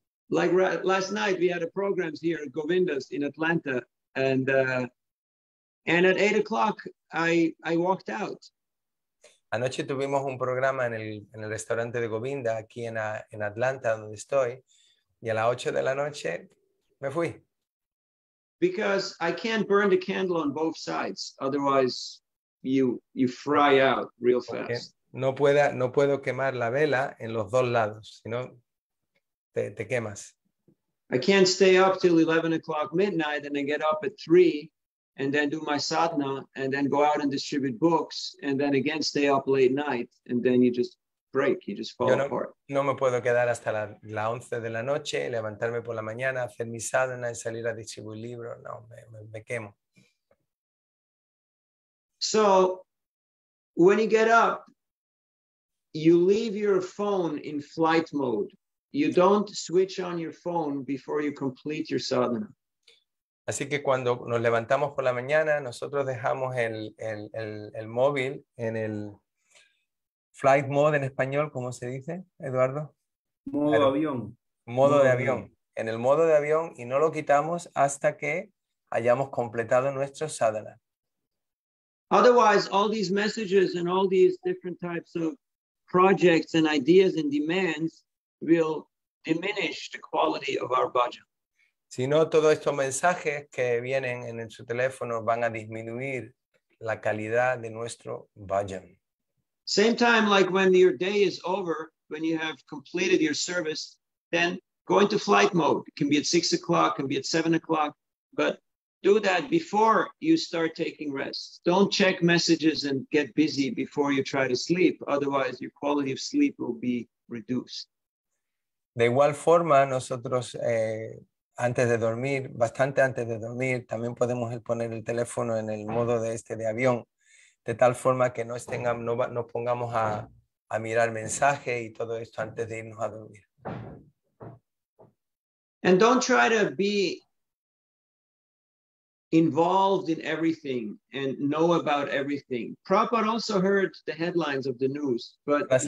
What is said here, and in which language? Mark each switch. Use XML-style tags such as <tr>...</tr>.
<en>Like last night, we had a program here at Govinda's in Atlanta, and at 8 o'clock, I walked out.</en> <es>Anoche tuvimos un programa en el restaurante de Govinda aquí en Atlanta, donde estoy, y a las 8 de la noche me fui.</es> <en>Because I can't burn the candle on both sides, otherwise you fry out real fast. Okay.</en> <es>No puedo quemar la vela en los dos lados, sino te quemas.</es> <en>I can't stay up till 11 o'clock midnight and then get up at 3 and then do my sadhana and then go out and distribute books and then again stay up late night and then you just break, you just fall apart.</en> <es>No me puedo quedar hasta la 11 de la noche, levantarme por la mañana, hacer mi sadhana y salir a distribuir libros. No, me quemo.</es> <en>So, when you get up, you leave your phone in flight mode. You don't switch on your phone before you complete your sadhana.</en> <es>Así que cuando nos levantamos por la mañana, nosotros dejamos el móvil en el flight mode en español, ¿cómo se dice, Eduardo? Modo de avión. En el modo de avión y no lo quitamos hasta que hayamos completado nuestro sadhana.</es> <en>Otherwise, all these messages and all these different types of projects and ideas and demands will diminish the quality of our bhajan.</en> <es>Si no, todos estos mensajes que vienen en su teléfono van a disminuir la calidad de nuestro bhajan.</es> <en>Same time, like when your day is over, when you have completed your service, then go into flight mode. It can be at 6 o'clock, it can be at 7 o'clock, but do that before you start taking rest. Don't check messages and get busy before you try to sleep. Otherwise, your quality of sleep will be reduced.</en> <es>De igual forma, nosotros antes de dormir, bastante antes de dormir, también podemos poner el teléfono en el modo de avión, de tal forma que no pongamos a mirar mensajes y todo esto antes de irnos a dormir.</es> <en>And don't try to be involved in everything and know about everything. Prabhupada also heard the headlines of the news, but</en>